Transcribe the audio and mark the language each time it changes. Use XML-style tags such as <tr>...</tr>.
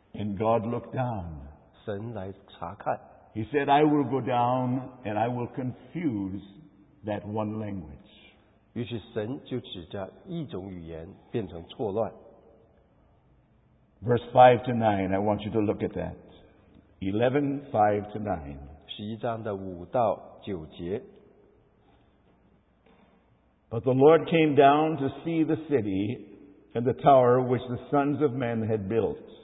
<en>And God looked down.</en> <zh>神来查看。</zh> <en>He said, I will go down and I will confuse that one language.</en> <zh>于是神就指着一种语言变成错乱。</zh> <en>Verse 5 to 9, I want you to look at that. 11, 5 to 9.</en> <zh>十一章的五到九节。</zh> <en>But the Lord came down to see the city and the tower which the sons of men had built.</en>